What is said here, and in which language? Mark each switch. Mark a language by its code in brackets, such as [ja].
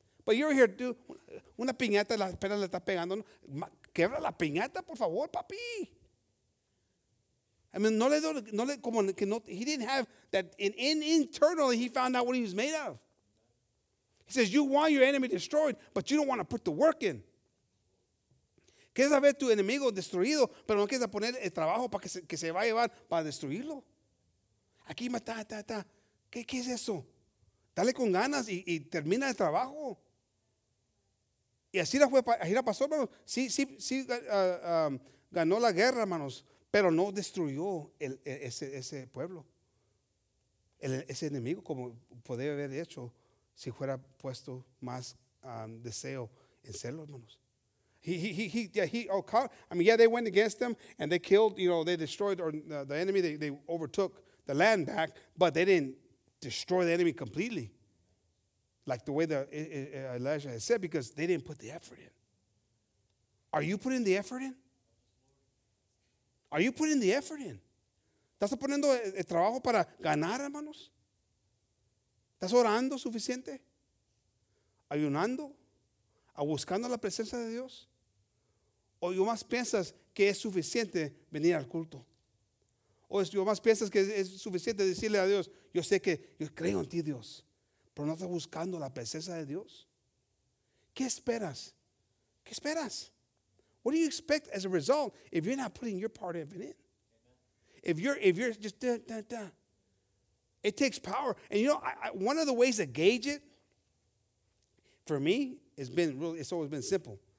[en] But you're here, dude. [es] Una piñata, la perra le está pegando. Quebra la piñata, por favor, papi. [en] I mean, he didn't have that. Internally, he found out what he was made of. He says, you want your enemy destroyed, but you don't want to put the work in. [es] Quieres ver tu enemigo destruido, pero no quieres poner el trabajo para que se va a llevar para destruirlo. Aquí mata, ta. ¿Qué es eso? Dale con ganas y termina el trabajo. Y así la fue, así la pasó, hermanos. Sí, ganó la guerra, hermanos, pero no destruyó ese pueblo. Ese enemigo, como podría haber hecho si fuera puesto más deseo en serlo, hermanos. [en] They went against them and they killed, you know, they destroyed or the enemy, they overtook the land back, but they didn't destroy the enemy completely. Like the way that Elijah had said, because they didn't put the effort in. Are you putting the effort in? Are you putting the effort in? [es] ¿Estás poniendo el trabajo para ganar, hermanos? ¿Estás orando suficiente? ¿Ayunando? ¿A buscando la presencia de Dios? ¿O yo más piensas que es suficiente venir al culto? ¿O yo más piensas que es suficiente decirle a Dios, yo sé que yo creo en ti, Dios, pero no estás buscando la presencia de Dios? ¿Qué esperas? ¿Qué esperas? [en] What do you expect as a result if you're not putting your part of it in? If you're just da, da, da. It takes power. And you know, I one of the ways to gauge it for me, it's always been simple.